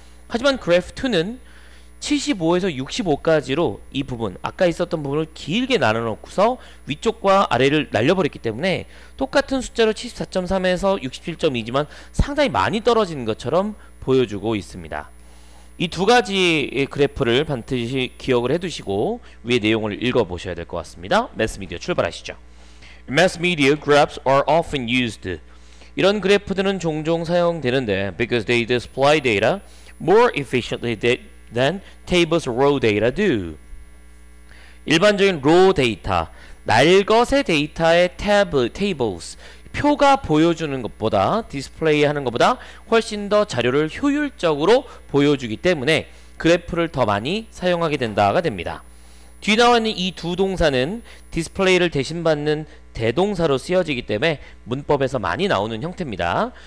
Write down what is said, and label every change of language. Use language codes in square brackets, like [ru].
[ko] 하지만 그래프 2는 75에서 65까지로 이 부분, 아까 있었던 부분을 길게 나눠놓고서 위쪽과 아래를 날려버렸기 때문에 똑같은 숫자로 74.3에서 67.2지만 상당히 많이 떨어지는 것처럼 보여주고 있습니다. 이 두 가지 그래프를 반드시 기억을 해두시고 위에 내용을 읽어보셔야 될 것 같습니다. 매스미디어 출발하시죠. [en] Mass media graphs are often used. [ko] 이런 그래프들은 종종 사용되는데 [en] because they display data more efficiently than tables raw data do. [ko] 일반적인 raw 데이터, 날것의 데이터의 tables, 표가 보여주는 것보다 디스플레이 하는 것보다 훨씬 더 자료를 효율적으로 보여주기 때문에 그래프를 더 많이 사용하게 된다가 됩니다. 뒤 나와 있는 이 두 동사는 디스플레이를 대신받는 대동사로 쓰여지기 때문에 문법에서 많이 나오는 형태입니다.